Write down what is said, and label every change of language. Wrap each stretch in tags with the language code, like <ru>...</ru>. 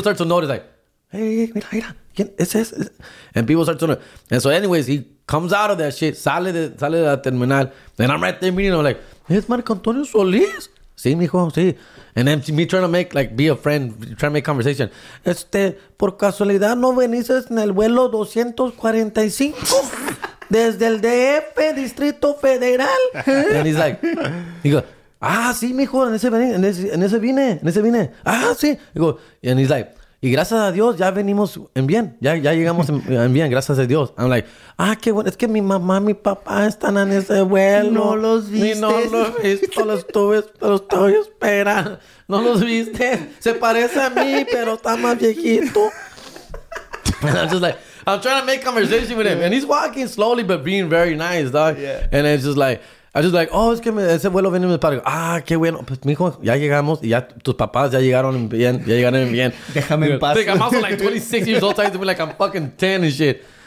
<en>start to notice, like, hey,</en> <es>mira, mira.</es> <en>And people start to know. And so anyways, he comes out of that shit,</en> <es>sale de la terminal,</es> <en>and I'm right there meeting him, like, it's Marc Antonio Solís.</en> <es>Sí, mijo, sí.</es> <en>And then me trying to make, like, be a friend, trying to make conversation.</en> <es>Por casualidad no veniste en el vuelo 245 desde el DF, Distrito Federal.</es> <en>And he's like, he goes,</en> <es>ah, sí, mijo, en ese vine. Ah, sí.</es> <en>He goes, and he's like,</en> <es>y gracias a Dios ya venimos en bien. Ya llegamos en bien, gracias a Dios.</es> <en>I'm like,</en> <es>ah, qué bueno. Es que mi mamá, mi papá están en ese vuelo. No los viste. No los viste. Los estoy esperando. No los viste. Se parece a mí, pero está más viejito.</es> <en>And I'm just like, I'm trying to make conversation with him. And he's walking slowly, but being very nice, dog. Yeah. And it's just like, I'm just like, oh,</en> <es>es que ese vuelo venimos para. Ah, qué bueno. Pues, mijo, ya llegamos. Y ya tus papás ya llegaron bien. Ya llegaron bien. Déjame en paz.</es> <en>I'm also like 26 years old. I used to be like, I'm fucking 10 and shit.</en>